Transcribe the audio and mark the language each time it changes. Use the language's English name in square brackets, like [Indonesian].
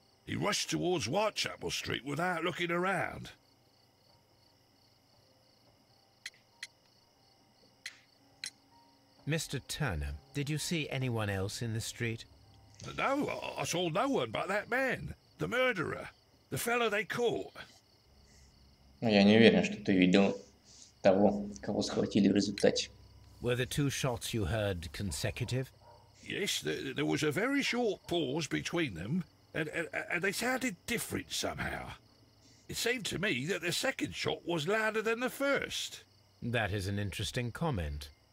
[English] He rushed towards Whitechapel Street without looking around. Mr. Turner, did you see anyone else in the street? No, I saw no one but that man, the murderer, the fellow they caught. [Russian] Я не уверен, что ты видел того, кого схватили в результате. [English] Were the two shots you heard consecutive? Yes, there was a very short pause between them, and they sounded different somehow. It seemed to me that the second shot was louder than the first. That is an interesting comment.